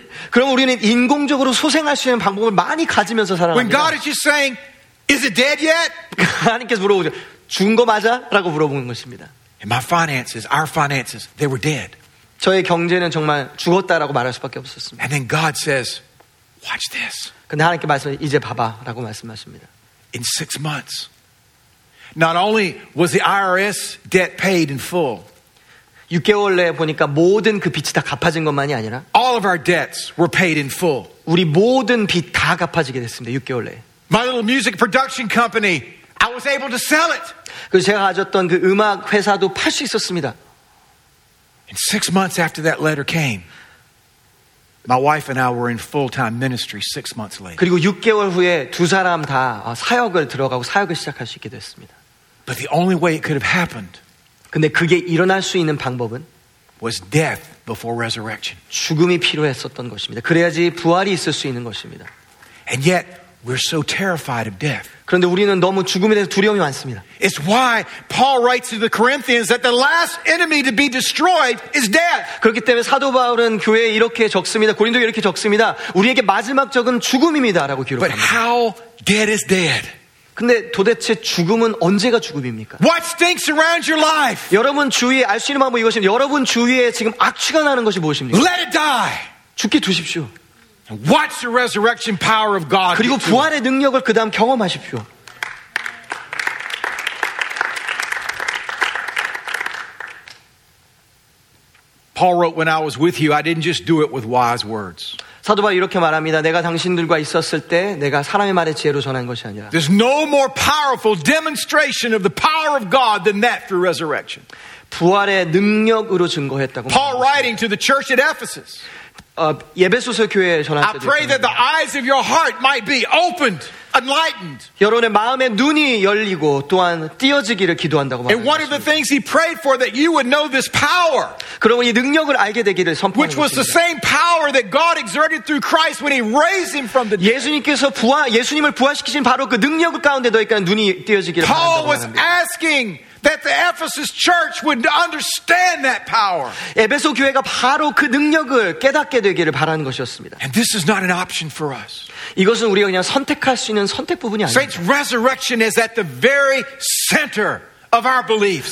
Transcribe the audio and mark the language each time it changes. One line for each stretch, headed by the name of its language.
Korean: 그럼 우리는 인공적으로 소생할 수 있는 방법을 많이 가지면서 살아가.
English: When God is just saying, "Is it dead yet?"
Korean: 하나님께서 물어보죠. 죽은 거 맞아?라고 물어보는 것입니다.
English: And my finances, our finances, they were dead.
Korean: 저의 경제는 정말 죽었다라고 말할 수밖에 없었습니다.
English: And then God says, "Watch this."
Korean: 근데 하나님께 말씀 이제 봐봐라고 말씀하십니다.
English: In six months, not only was the IRS debt paid in full.
Korean: 6개월 내에 보니까 모든 그 빚이 다 갚아진 것만이 아니라.
English: All of our debts were paid in full.
Korean: 우리 모든 빚 다 갚아지게 됐습니다. 6개월 내에.
English: My little music production company, I was able to sell it.
Korean: 그 제가 가졌던 그 음악 회사도 팔 수 있었습니다.
English: In six months after that letter came. My wife and I were in full-time ministry 6 months later.
Korean: 그리고 6개월 후에 두 사람 다 사역을 들어가고 사역을 시작할 수 있게 됐습니다.
English: But the only way it could have happened.
Korean: 근데 그게 일어날 수 있는 방법은
English: was death before resurrection.
Korean: 죽음이 필요했었던 것입니다. 그래야지 부활이 있을 수 있는 것입니다.
English: And yet we're so terrified of death.
Korean: 그런데 우리는 너무 죽음에 대해서 두려움이 많습니다.
English: It's why Paul writes to the Corinthians that the last enemy to be destroyed is death.
Korean: 그렇기 때문에 사도 바울은 교회에 이렇게 적습니다. 고린도에 이렇게 적습니다. 우리에게 마지막 적은 죽음입니다라고 기록합니다.
English: But how dead is dead?
Korean: 근데 도대체 죽음은 언제가 죽음입니까?
English: What stinks around your life?
Korean: 여러분 주위에 알 수 있는 방법이 무엇입니까? 여러분 주위에 지금 악취가 나는 것이 무엇입니까?
English: Let it die.
Korean: 죽게 두십시오.
English: Watch the resurrection power of God.
Korean: 그리고 부활의 능력을 그다음 경험하십시오.
English: Paul wrote, "When I was with you, I didn't just do it with wise words."
Korean: 사도 바울 이렇게 말합니다. 내가 당신들과 있었을 때 내가 사람의 말에 지혜로 전한 것이 아니라.
English: There's no more powerful demonstration of the power of God than that through resurrection.
Korean: 부활의 능력으로 증거했다고.
English: Paul writing to the church at Ephesus.
Korean: 예베소서 교회에 전할 때.
English: I pray that the eyes of your heart might be opened. Enlightened.
Korean: 여러분의 마음의 눈이 열리고 또한 띄어지기를 기도한다고 말합니다.
English: And one of the things he prayed for that you would know this power.
Korean: 그러면 이 능력을 알게 되기를 선포합니다.
English: Which was the same power that God exerted through Christ when He raised Him from the dead.
Korean: 예수님께서 예수님을 부활시키신 바로 그 능력 가운데 너희가 눈이 띄어지기를
English: Paul
Korean: 말합니다.
English: Paul was asking. That the Ephesus church would understand that power.
Korean: 에베소 교회가 바로 그 능력을 깨닫게 되기를 바라는 것이었습니다.
English: And this is not an option for us.
Korean: 이것은 우리가 그냥 선택할 수 있는 선택 부분이 아니에요.
English: Saints, resurrection is at the very center of our beliefs.